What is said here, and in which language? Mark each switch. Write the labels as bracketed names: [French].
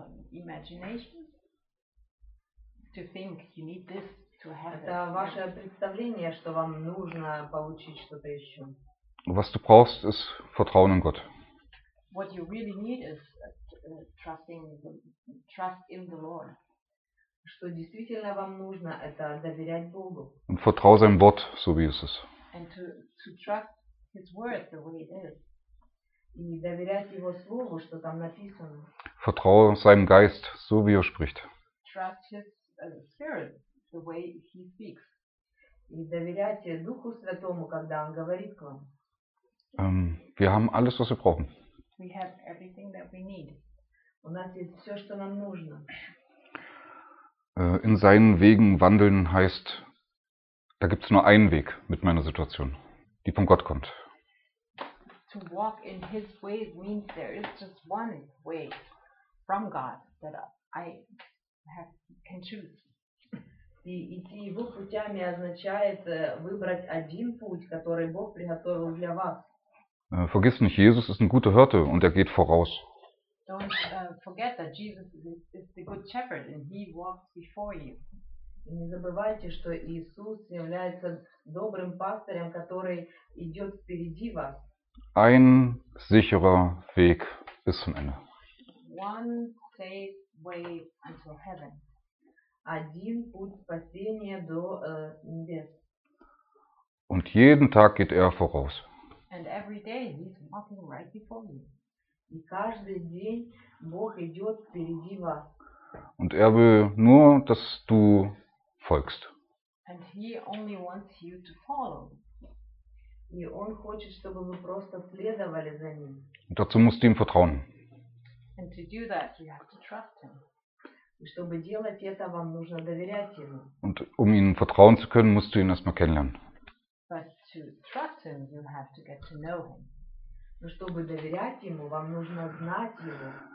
[English] Imagination to think you need this to have [Russian] это ваше представление, что вам нужно получить что-то еще. [German] Was du brauchst ist Vertrauen in Gott. [English] What you really need is trust in the Lord. [Russian] Что действительно вам нужно, это доверять Богу. [German] Und vertraue seinem Wort, so wie es ist. [English] And to trust his word the way it is. [Russian] И доверять его слову, что там написано. [German] Vertraue seinem Geist, so wie er spricht. [English] Trust his spirit, the way he speaks. [Russian] И доверяйте Духу Святому, когда он говорит к вам. [German] Wir haben alles, was wir brauchen. [English] We have everything that we need. [Russian] У нас есть все, что нам нужно. [German] In seinen Wegen wandeln heißt, da gibt es nur einen Weg mit meiner Situation, die von Gott kommt. [English] To walk in his ways means there is just one way. From God that I can choose. [Russian] И идти его путями означает выбрать один путь, который Бог приготовил для вас. [German] Vergiss nicht, Jesus ist ein guter Hirte und er geht voraus. [English] Don't forget that Jesus is the good shepherd and he walks before you. [Russian] И не забывайте, что Иисус является добрым пастырем, который идет впереди вас. [German] Ein sicherer Weg bis zum Ende. [English] One safe way until heaven. [Russian] Один путь спасения до небес. [German] Und jeden Tag geht voraus. [English] And every day he's walking right before me. [Russian] И каждый день Бог идет впереди вас. [German] Und will nur, dass du folgst. [English] And he only wants you to follow. [Russian] И он хочет, чтобы мы просто следовали за ним. [German] Dazu musst du ihm vertrauen. [English] And to do that, you have to trust him. [Russian] И чтобы делать это, вам нужно доверять ему. [German] Und um ihm vertrauen zu können, musst du ihn erstmal kennenlernen. [English] But to trust him, you have to get to know him. [Russian] Но чтобы доверять ему, вам нужно знать его.